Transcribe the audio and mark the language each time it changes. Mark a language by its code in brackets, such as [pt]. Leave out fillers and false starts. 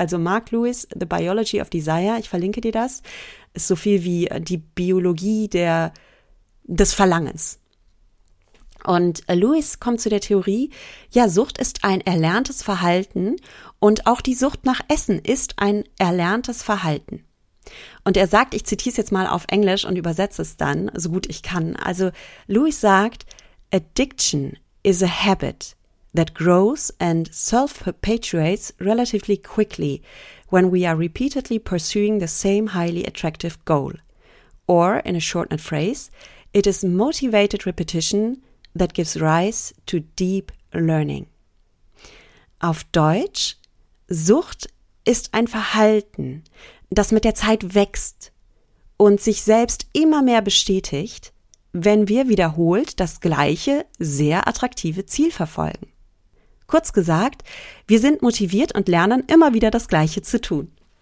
[de] Also Mark Lewis, The Biology of Desire, ich verlinke dir das, ist so viel wie die Biologie des Verlangens. Und Lewis kommt zu der Theorie, ja, Sucht ist ein erlerntes Verhalten und auch die Sucht nach Essen ist ein erlerntes Verhalten. Und er sagt, ich zitiere es jetzt mal auf Englisch und übersetze es dann, so gut ich kann. Also Lewis sagt, [en] Addiction is a habit that grows and self-perpetuates relatively quickly when we are repeatedly pursuing the same highly attractive goal. Or, in a shortened phrase, it is motivated repetition that gives rise to deep learning. [de] Auf Deutsch, Sucht ist ein Verhalten, das mit der Zeit wächst und sich selbst immer mehr bestätigt, wenn wir wiederholt das gleiche, sehr attraktive Ziel verfolgen. Kurz gesagt, wir sind motiviert und lernen immer wieder das Gleiche zu tun.